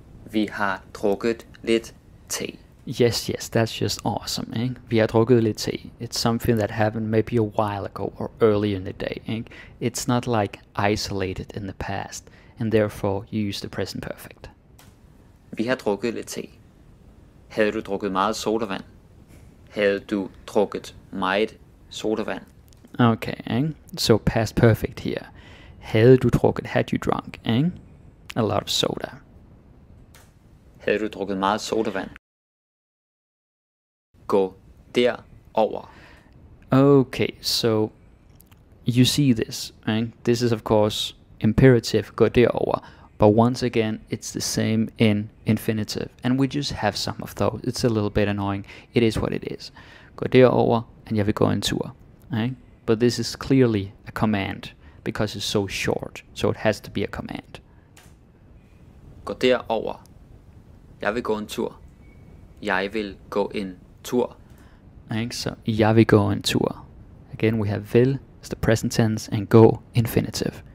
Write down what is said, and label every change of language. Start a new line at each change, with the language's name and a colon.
Danish: Vi har drukket lidt te.
English: Yes, yes, that's just awesome, ikke?
Danish: Vi har drukket lidt te.
English: It's something that happened maybe a while ago or earlier in the day, ikke? It's not like isolated in the past, and therefore you use the present perfect.
Danish: Vi har drukket lidt te. Havde du drukket meget sodavand? Havde du drukket meget sodavand?
English: Okay, ikke? So past perfect here.
Danish: Havde du drukket,
English: had you drunk, ikke? A lot of soda.
Danish: Havde du drukket meget sodavand? Gå derover.
English: Okay, so you see this, right? This is of course imperative,
Danish: gå derover.
English: But once again, it's the same in infinitive. And we just have some of those. It's a little bit annoying. It is what it is.
Danish: Gå derover, and jeg vil gå en tur.
English: Right? But this is clearly a command, because it's so short. So it has to be a command.
Danish: Gå derover. Jeg vil gå en tur. Jeg vil gå en tur.
English: Okay, so
Danish: jeg vil gå en tur.
English: Again, we have vil as the present tense and go infinitive.